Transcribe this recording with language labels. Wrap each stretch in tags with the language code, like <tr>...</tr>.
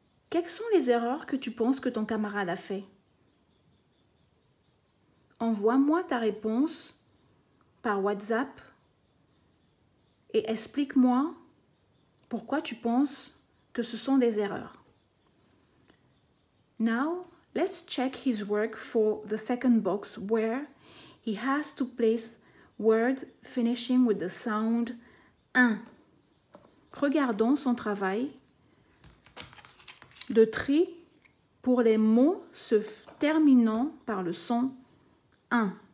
<fr>Quelles sont les erreurs que tu penses que ton camarade a fait? Envoie-moi ta réponse par WhatsApp et explique-moi pourquoi tu penses que ce sont des erreurs.</fr> <en>Now, let's check his work for the second box where he has to place words finishing with the sound un.</en> <fr>Regardons son travail de tri pour les mots se terminant par le son un.</fr>